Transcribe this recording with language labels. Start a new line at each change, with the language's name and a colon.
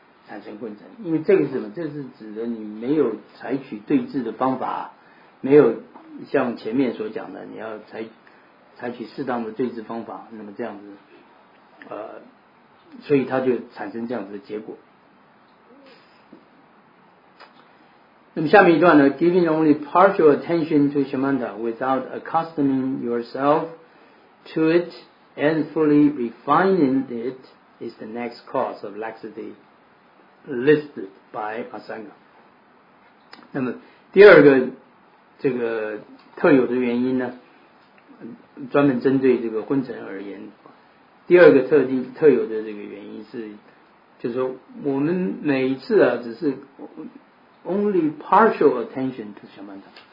Chinese: 产生昏沉，因为这个是什么？这是指的你没有采取对治的方法，没有像前面所讲的，你要采取适当的对治方法，那么这样子，所以它就产生这样子的结果。那么下面一段呢
English: ？Giving only partial attention to shamatha without accustoming yourself to it and fully refining it is the next cause of laxity. Listed by Asanga.
Chinese: 那么第二个这个特有的原因呢，专门针对这个昏沉而言，第二个特有的这个原因是，就是说我们每一次啊，只是
English: only partial attention to shamatha。